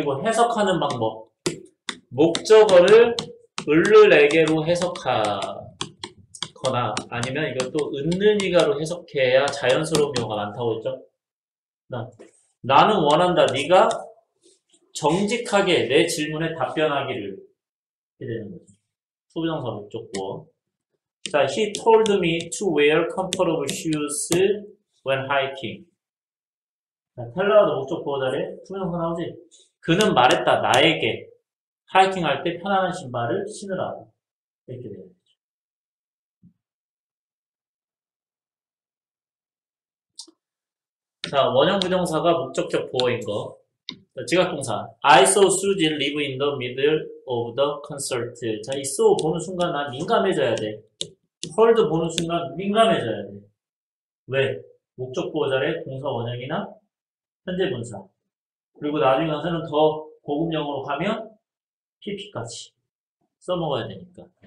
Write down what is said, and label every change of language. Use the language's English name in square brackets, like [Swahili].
[Korean] 그리고 해석하는 방법. 목적어를 을을에게로 해석하거나 아니면 이것도 은느니가로 해석해야 자연스러운 경우가 많다고 했죠? 나는 원한다. 네가 정직하게 내 질문에 답변하기를. 이렇게 되는 거죠. 투부정사 목적 부호. [English] 자, he told me to wear comfortable shoes when hiking. [Korean] 자, 텔러가도 목적 보호 자리에 투명사 나오지? 그는 말했다, 나에게. 하이킹할 때 편안한 신발을 신으라고. 이렇게 돼요. 자, 원형 부정사가 목적격 보호인 거. 자, 지각동사. [English] I saw Suzy live in the middle of the concert. [Korean] 자, 이 saw 보는 순간 난 민감해져야 돼. 헐드 보는 순간 민감해져야 돼. 왜? 목적 보호 자리에 동사 원형이나 현재 분사. 그리고 나중에 가서는 더 고급형으로 가면 PP까지 써먹어야 되니까.